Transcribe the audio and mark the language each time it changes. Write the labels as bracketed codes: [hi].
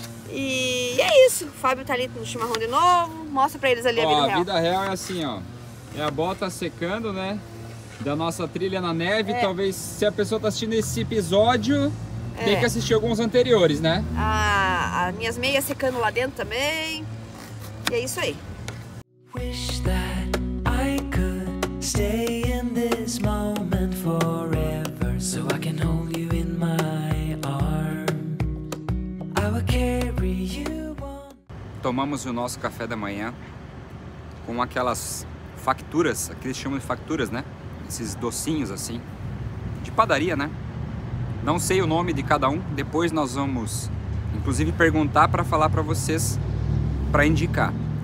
[pt] E é isso. O Fábio tá ali no chimarrão de novo. Mostra para eles ali, ó, a vida real. A vida real é assim, ó. É a bota secando, né? Da nossa trilha na neve, talvez se a pessoa tá assistindo esse episódio, tem que assistir alguns anteriores, né? As minhas meias secando lá dentro também. E é isso aí. [en] Wish that I could stay in this moment forever, so I can hold you in my arm. I will carry you on. [pt] Tomamos o nosso café da manhã com aquelas facturas, aqueles que chamam de facturas, né? Esses docinhos assim, de padaria, né? Não sei o nome de cada um, depois nós vamos inclusive perguntar para falar para vocês, para indicar.